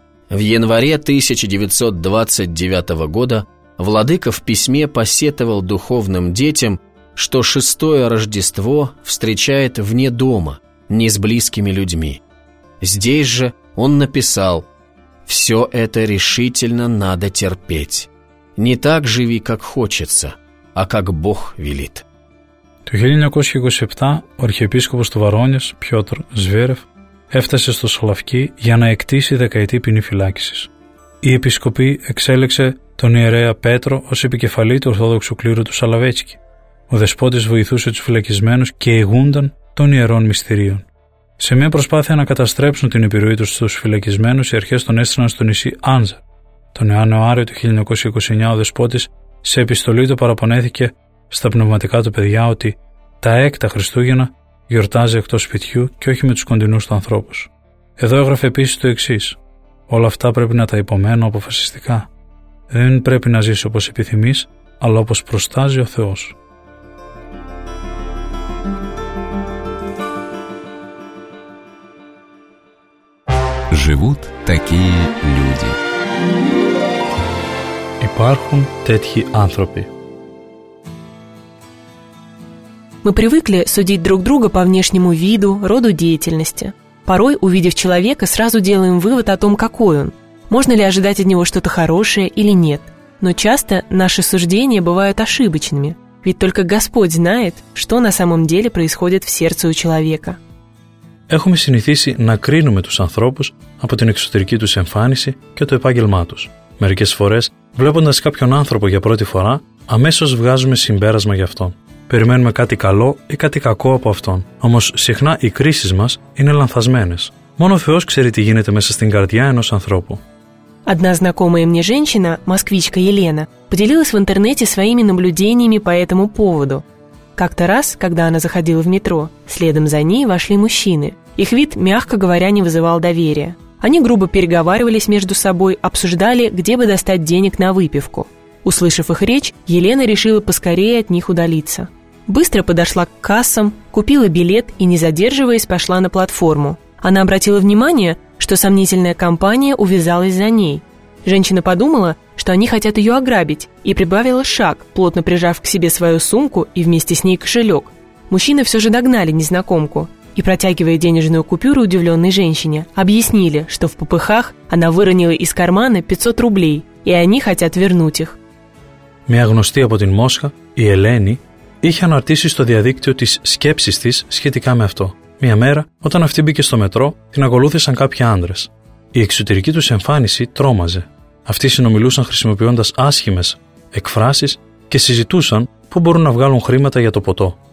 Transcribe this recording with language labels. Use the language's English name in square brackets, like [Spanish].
[Russian] В январе 1929 года владыка в письме посетовал духовным детям, что 6-е Рождество встречает вне дома, не с близкими людьми. Здесь же он написал: «Все это решительно надо терпеть. Не так живи, как хочется, а как Бог велит». [Greek] Το 1927 ο αρχιεπίσκοπος του Βαρόνιας, Πιότρ Σβέρεφ, έφτασε στο Σολαυκή για να εκτίσει 10ετή ποινή φυλάκισης. Η Επισκοπή εξέλεξε τον ιερέα Πέτρο ως επικεφαλή του Ορθόδοξου κλήρου του Σαλαβέτσκι. Ο Δεσπότης βοηθούσε τους φυλακισμένους και ηγούνταν των ιερών μυστηρίων. Σε μια προσπάθεια να καταστρέψουν την επιρροή τους στους φυλακισμένους, οι αρχές τον έστειλαν στο νησί Άνζα. Τον Ιανουάριο του 1929 ο Δεσπότης σε επιστολή του παραπονέθηκε στα πνευματικά του παιδιά ότι τα έκτα Χριστούγεννα γιορτάζει εκτός σπιτιού και όχι με τους κοντινούς του ανθρώπους. Εδώ έγραφε επίσης το εξής: «Όλα αυτά πρέπει να τα υπομένω αποφασιστικά. Δεν πρέπει να ζήσω όπως επιθυμείς, αλλά όπως προστάζει ο Θεός». [Russian] Живут такие люди. [Greek] Υπάρχουν τέτοιοι άνθρωποι. [Russian] Мы привыкли судить друг друга по внешнему виду, роду деятельности. Порой, увидев человека, сразу делаем вывод о том, какой он. Можно ли ожидать от него что-то хорошее или нет. Но часто наши суждения бывают ошибочными. Ведь только Господь знает, что на самом деле происходит в сердце у человека. [Greek] Έχουμε συνηθίσει να κρίνουμε τους ανθρώπους από την εξωτερική τους εμφάνιση και το επάγγελμά τους. Μερικές φορές, βλέποντας κάποιον άνθρωπο για πρώτη φορά, αμέσως βγάζουμε συμπέρασμα γι' αυτόν. Περιμένουμε κάτι καλό ή κάτι κακό από αυτόν. Όμως συχνά οι κρίσεις μας είναι λανθασμένες. Μόνο ο Θεός ξέρει τι γίνεται μέσα στην καρδιά ενός ανθρώπου. [Russian] Одна знакомая мне женщина, москвичка Елена, поделилась в интернете своими наблюдениями по этому поводу. Как-то раз, когда она заходила в метро, следом за ней вошли мужчины. Их вид, мягко говоря, не вызывал доверия. Они грубо переговаривались между собой, обсуждали, где бы достать денег на выпивку. Услышав их речь, Елена решила поскорее от них удалиться. Быстро подошла к кассам, купила билет и, не задерживаясь, пошла на платформу. Она обратила внимание, что сомнительная компания увязалась за ней. Женщина подумала, что они хотят ее ограбить, и прибавила шаг, плотно прижав к себе свою сумку и вместе с ней кошелек. Мужчины все же догнали незнакомку и, протягивая денежную купюру удивленной женщине, объяснили, что в попыхах она выронила из кармана 500 рублей, и они хотят вернуть их. [Greek] Μια γνωστή από την Μόσχα, η Ελένη, είχε αναρτήσει στο διαδίκτυο τις σκέψεις της σχετικά με αυτό. Μια μέρα, όταν αυτή μπήκε στο μετρό, την ακολούθησαν κάποιοι άντρες. Η εξωτερική τους εμφάνιση τρόμαζε. Αυτοί συνομιλούσαν χρησιμοποιώντας άσχημες εκφράσεις και συζητούσαν πού μπορούν να βγάλουν χρήματα για το ποτό.